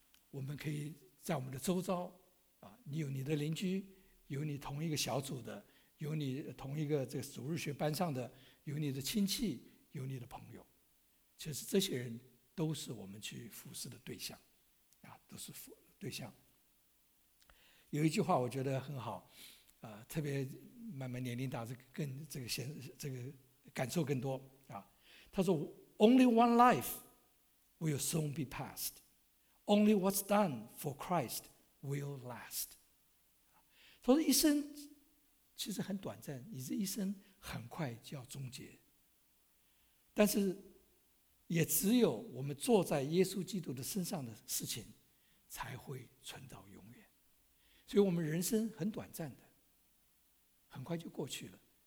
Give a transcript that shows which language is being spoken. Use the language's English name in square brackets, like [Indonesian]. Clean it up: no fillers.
[Chinese] 我们可以在我们的周遭，你有你的邻居，有你同一个小组的，有你同一个这个主日学班上的，有你的亲戚，有你的朋友，其实这些人都是我们去服侍的对象，都是服对象。有一句话我觉得很好，特别慢慢年龄大，这个感受更多啊。 [English] 他说 ：“Only one life will soon be passed. Only what's done for Christ will last.” [Chinese] 他说一生其实很短暂，你这一生很快就要终结。但是，也只有我们坐在耶稣基督的身上的事情，才会存到永远。所以，我们人生很短暂的，很快就过去了。